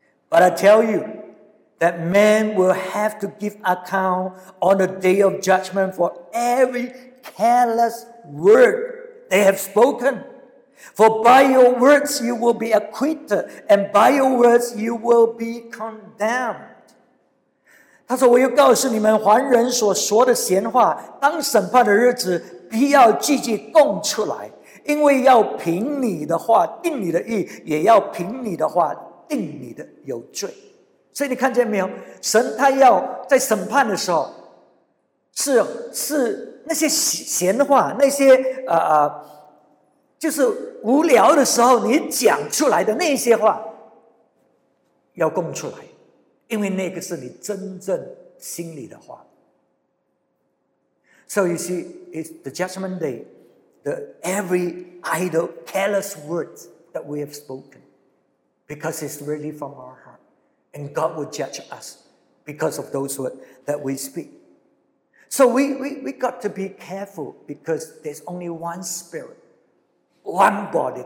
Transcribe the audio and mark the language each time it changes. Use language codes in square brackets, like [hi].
[en] But I tell you that man will have to give account on the day of judgment for every careless word they have spoken. For by your words you will be acquitted, and by your words you will be condemned. [zh] 他说我又告诉你们，凡人所说的闲话，当审判的日子必要句句供出来，因为要凭你的话定你的义，也要凭你的话定你的有罪。所以你看见没有，神他要在审判的时候，是那些闲话，那些就是无聊的时候你讲出来的那些话要供出来，因为那个是你真正心里的话。 [en] So you see, it's the judgment day, the every idle, careless words that we have spoken, because it's really from our heart, and God will judge us because of those words that we speak. So we got to be careful, because there's only one spirit, one body.